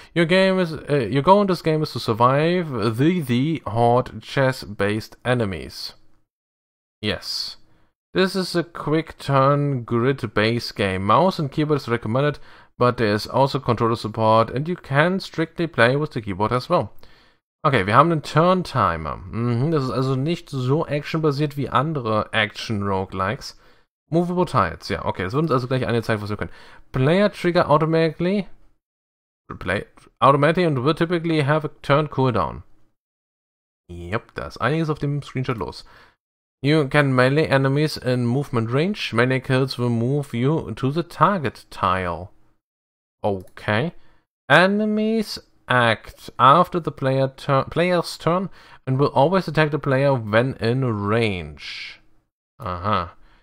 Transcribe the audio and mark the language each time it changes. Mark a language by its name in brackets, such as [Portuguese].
[English] Your goal in this game is to survive the horde chess-based enemies. Yes. This is a quick turn grid based game. Mouse and keyboard is recommended, but there is also controller support and you can strictly play with the keyboard as well. [German] Okay, wir haben einen Turn Timer. Das ist also nicht so actionbasiert wie andere Action Roguelikes. [English] Movable Tiles, [German] ja, okay, es wird uns also gleich angezeigt, was wir können. [English] Player trigger automatically. Automatically and will typically have a turn cooldown. [German] Yep, da ist einiges auf dem Screenshot los. [English] You can melee enemies in movement range. Melee kills will move you to the target tile. Okay. Enemies act after the player's turn and will always attack the player when in range. Aha.